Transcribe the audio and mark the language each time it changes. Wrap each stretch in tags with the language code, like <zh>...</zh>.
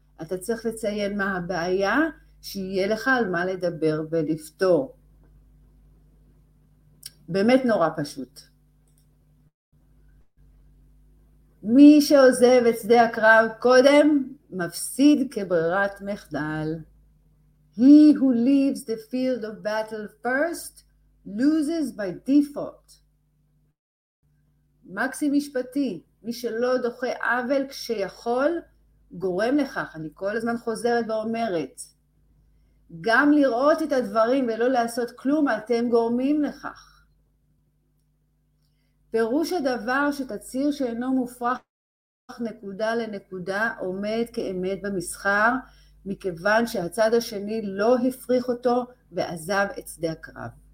<he>אתה צריך לציין מה הבעיה, שיהיה לך על מה לדבר ולפתור. באמת נורא פשוט. מי שעוזב את שדה הקרב קודם, מפסיד כברירת מחדל.</he> <en>He who leaves the field of battle first, loses by default.</en> <he>מקסים משפטי, מי שלא דוחה עוול כשיכול, גורם לכך. אני כל הזמן חוזרת ואומרת. גם לראות את הדברים ולא לעשות כלום, אתם גורמים לכך. פירוש הדבר שתצהיר שאינו מופרך נקודה לנקודה עומד כאמת במסחר, מכיוון שהצד השני לא הפריך אותו ועזב את שדה הקרב.</he>